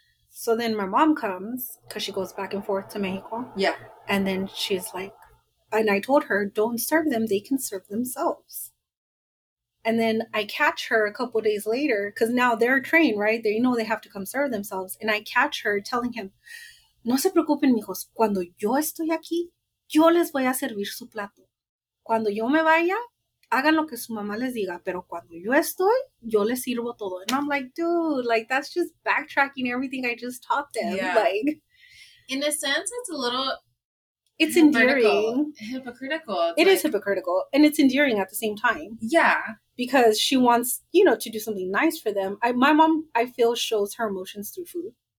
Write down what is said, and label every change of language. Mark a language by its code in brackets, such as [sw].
[en] So then my mom comes, because she goes back and forth to Mexico. Yeah. And then she's like, and I told her, don't serve them. They can serve themselves. And then I catch her a couple days later, because now they're trained, right? They know they have to come serve themselves. And I catch her telling him, [es] no se preocupen, mijos. Cuando yo estoy aquí, yo les voy a servir su plato. Cuando yo me vaya, hagan lo que su mamá les diga. Pero cuando yo estoy, yo les sirvo todo. [en] And I'm like, dude, like, that's just backtracking everything I just taught them. Yeah. Like, in a sense, it's a little... It's endearing. Hypocritical. It is hypocritical. And it's endearing at the same time. Yeah. Because she wants, you know, to do something nice for them. My mom, I feel, shows her emotions through food.